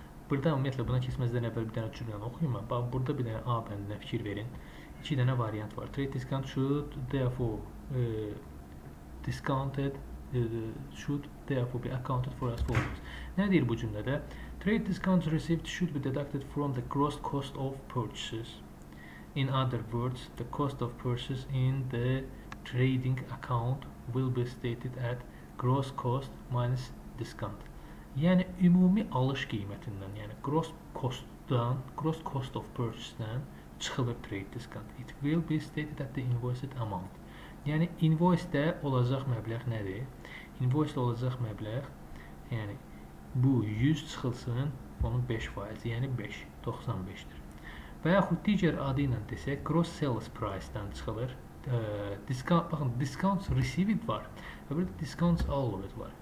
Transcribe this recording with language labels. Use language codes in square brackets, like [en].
[az] Burada ümumiyyətlə buna keçməzdən əvvəl bir dənə cümləni oxuyum. Bax burada bir dənə A bəndinə fikir verin. 2 dənə variant var. [en] Trade discount should therefore discounted should therefore be accounted for as follows. [az] Nə deyir bu cümlədə? [en] Trade discount received should be deducted from the gross cost of purchases. In other words, the cost of purchases in the trading account will be stated at gross cost minus discount. [az] Yəni ümumi alış qiymətindən, yəni gross cost-dan, gross cost of purchase-dən çıxılır trade discount. [en] It will be stated at the invoiced amount. [az] Yəni invoice-də olacaq məbləğ nədir? Invoice-də olacaq məbləğ, yəni bu 100 çıxılsın, onun 5%, yəni 5, 95-dir. Və yaxud digər adı ilə desək, gross sales price-dan çıxılır. Discount, baxın, discounts received var. Və burada discounts all of it var.